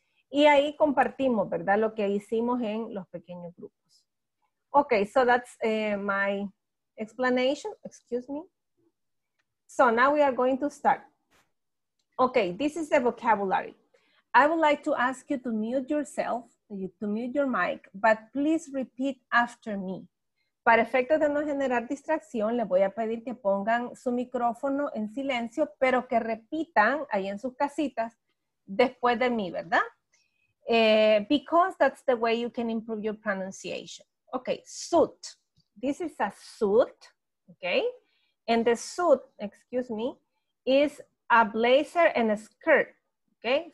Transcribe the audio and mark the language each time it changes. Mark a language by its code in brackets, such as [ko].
[es] Y ahí compartimos, ¿verdad? Lo que hicimos en los pequeños grupos. [en] Okay, so that's my explanation, excuse me. So now we are going to start. Okay, this is the vocabulary. I would like to ask you to mute yourself, to mute your mic, but please repeat after me. [es] Para efectos de no generar distracción, les voy a pedir que pongan su micrófono en silencio, pero que repitan ahí en sus casitas después de mí, ¿verdad? [en] Because that's the way you can improve your pronunciation. Okay, suit. This is a suit, okay? And the suit, excuse me, is a blazer and a skirt, okay?